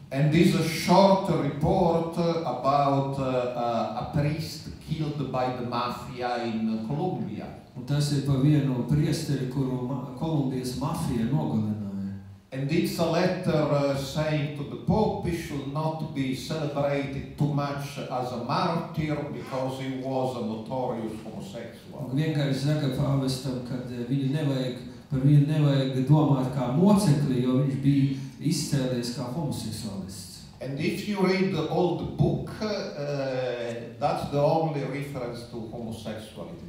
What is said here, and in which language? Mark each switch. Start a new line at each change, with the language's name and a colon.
English: And this a short report about a priest killed by the mafia in Colombia.
Latvian: Un tas ir par vienu priesteri, kuru Kolumbijas mafija nogalināja.
English: And it's a letter saying to the Pope he should not be celebrated too much as a martyr because he was a notorious homosexual.
Latvian: Un vienkārši saka pāvestam, kad viņu nevajag, par viņu nevajag domāt kā mocekli, jo viņš bija izcēlies kā homoseksualists.
English: And if you read the old book, that's the only reference to homosexuality.